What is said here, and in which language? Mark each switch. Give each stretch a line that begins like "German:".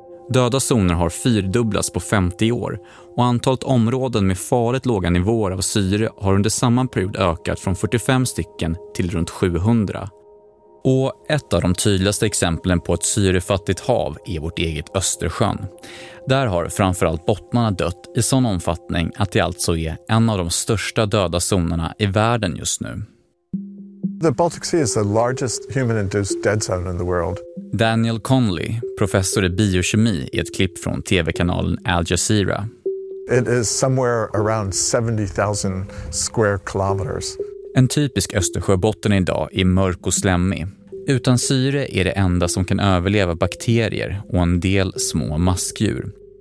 Swedish: Döda zoner har fyrdubblats på 50 år och antalet områden med farligt låga nivåer av syre har under samma period ökat från 45 stycken till runt 700. Och ett av de tydligaste exemplen på ett syrefattigt hav är vårt eget Östersjön. Där har framförallt bottnarna dött i sån omfattning att det alltså är en av de största döda zonerna i världen just nu.
English: The Baltic Sea is the largest human-induced dead zone in the world.
Swedish: Daniel Conley, professor i biokemi, i ett klipp från TV-kanalen Al Jazeera.
English: It is somewhere around 70,000 square kilometers.
Swedish: En typisk Östersjöbotten idag är mörk och slämmig. Utan syre är det enda som kan överleva bakterier och en del små maskdjur.